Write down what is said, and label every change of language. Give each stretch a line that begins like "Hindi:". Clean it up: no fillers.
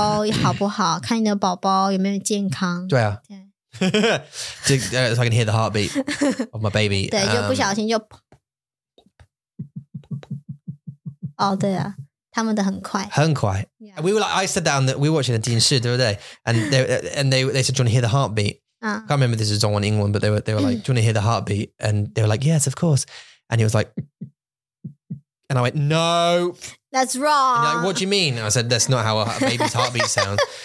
Chinese: 看你的宝宝好不好,看你的宝宝有没有健康。
English: so I can hear the heartbeat of my baby.
Chinese: 对，又不小心就 哦，对啊，他们的很快，很快。
English: Yeah. We were like, I sat down that we were watching a 电视, the other day, and they said, "Do you want to hear the heartbeat?" I can't remember if this is on England, but they were like, "Do you want to hear the heartbeat?" And they were like, "Yes, of course." And he was like, and I went, "No, that's wrong." And like, what do you mean? And I said, "That's not how a baby's heartbeat sounds.